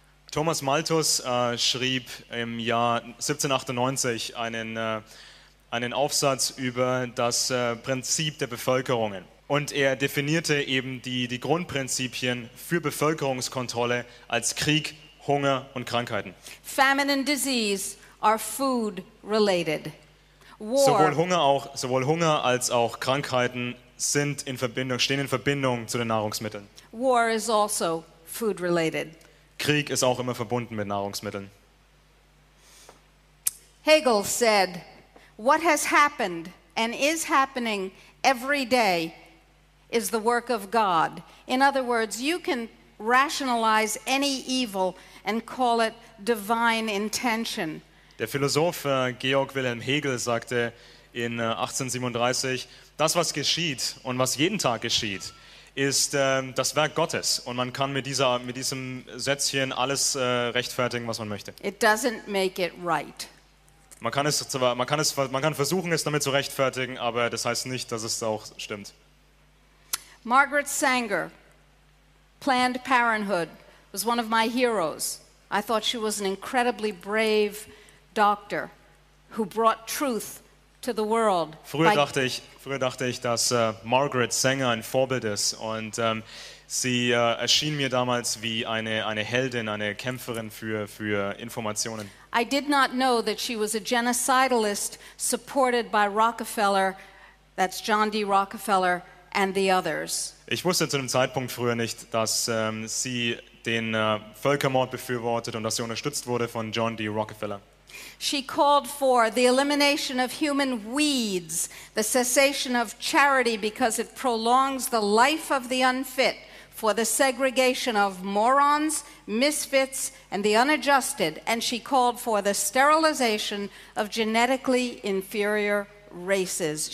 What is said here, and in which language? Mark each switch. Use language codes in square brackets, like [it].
[de] Thomas Malthus schrieb im Jahr 1798 einen Aufsatz über das Prinzip der Bevölkerungen. Und er definierte eben die Grundprinzipien für Bevölkerungskontrolle als Krieg, Hunger und Krankheiten. [en] Famine and disease are food related. War. [de] Sowohl Hunger als auch Krankheiten stehen in Verbindung zu den Nahrungsmitteln. [en] War is also food related. [de] Krieg ist auch immer verbunden mit Nahrungsmitteln. [en] Hegel said, what has happened and is happening every day is the work of God. In other words, you can rationalize any evil and call it divine intention. [de] Der Philosoph Georg Wilhelm Hegel sagte in 1837, das, was geschieht und was jeden Tag geschieht, ist das Werk Gottes. Und man kann mit diesem Sätzchen alles rechtfertigen, was man möchte. [en] It doesn't make it right. [de] Man kann versuchen, es damit zu rechtfertigen, aber das heißt nicht, dass es auch stimmt. [en] Margaret Sanger, Planned Parenthood, was one of my heroes. I thought she was an incredibly brave doctor who brought truth to the world. [de] Früher dachte ich, dass Margaret Sanger ein Vorbild ist und sie erschien mir damals wie eine Heldin, eine Kämpferin für Informationen. [en] I did not know that she was a genocidalist supported by Rockefeller, that's John D. Rockefeller and the others. [de] Ich wusste zu dem Zeitpunkt früher nicht, dass sie den Völkermord befürwortet und dass sie unterstützt wurde von John D. Rockefeller. [en] She called for the elimination of human weeds, the cessation of charity because it prolongs the life of the unfit, for the segregation of morons, misfits, and the unadjusted, and she called for the sterilization of genetically inferior races.